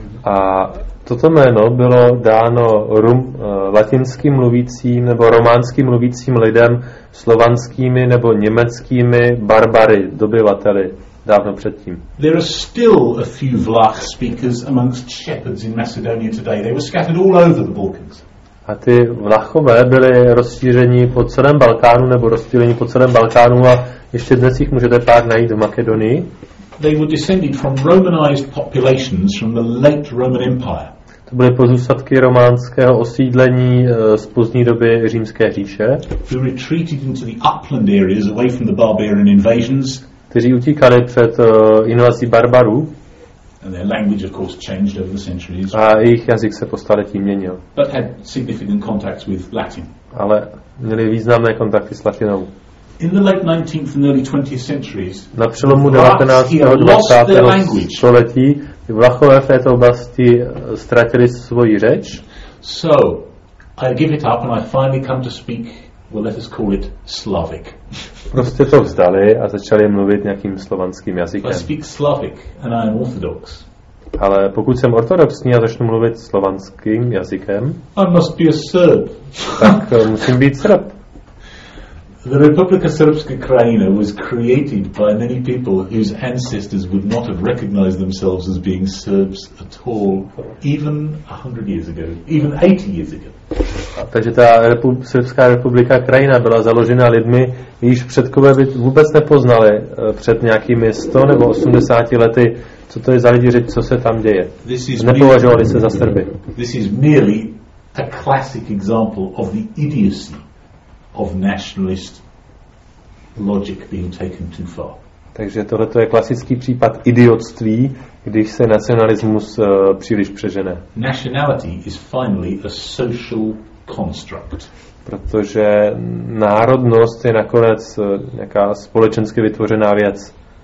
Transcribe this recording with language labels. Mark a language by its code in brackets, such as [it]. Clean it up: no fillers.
[cs] A toto jméno bylo dáno latinským mluvícím nebo románským mluvícím lidem, slovanskými nebo německými barbary, dobyvateli. Dávno předtím. [en] There are still a few Vlach speakers amongst shepherds in Macedonia today. They were scattered all over the Balkans. [cs] A ty Vlachové byli rozšířeni po celém Balkánu nebo rozšířeni po celém Balkánu a ještě dnes jich můžete pár najít v Makedonii. [en] They were descended from Romanized populations from the late Roman Empire. [cs] To byly pozůstatky románského osídlení z pozdní doby Římské říše. [en] Who retreated into the upland areas away from the barbarian invasions. [cs] Kteří utíkali před invazí barbarů. [en] And their language, of course, changed over the centuries. [cs] A jejich jazyk se po staletí měnil. [en] But had significant contacts with Latin. [cs] Ale měli významné kontakty s latinou. [en] In the late 19th and early 20th centuries, [cs] na přelomu 19. a 20. století Vlachové v této oblasti ztratili svoji řeč. [en] So, I give it up and I finally come to speak. Well, let us call it Slavic. [cs] Prostě to vzdali a začali mluvit nějakým slovanským jazykem. [en] I speak Slavic and I am Orthodox. [cs] Ale pokud jsem ortodoxní a začnu mluvit slovanským jazykem, [en] I must be a Serb. [cs] Tak musím být Srb. [en] The Republika Srpska Krajina was created by many people whose ancestors would not have recognized themselves as being Serbs at all, even 100 years ago, even 80 years ago. [cs] Takže ta Srpská republika Krajina byla založena lidmi, jejichž předkové by vůbec nepoznali před nějakými 100 nebo 80 lety, co to je za lidi říct, co se tam děje. Nepovažovali se za Srby. [en] This is merely a classic example of the idiocy of nationalist logic being taken too far. [cs] Takže tohle to je klasický případ idiotství, když se nacionalismus příliš přežene. [en] Nationality is finally a social construct. [cs] Protože národnost je nakonec nějaká společensky vytvořená věc.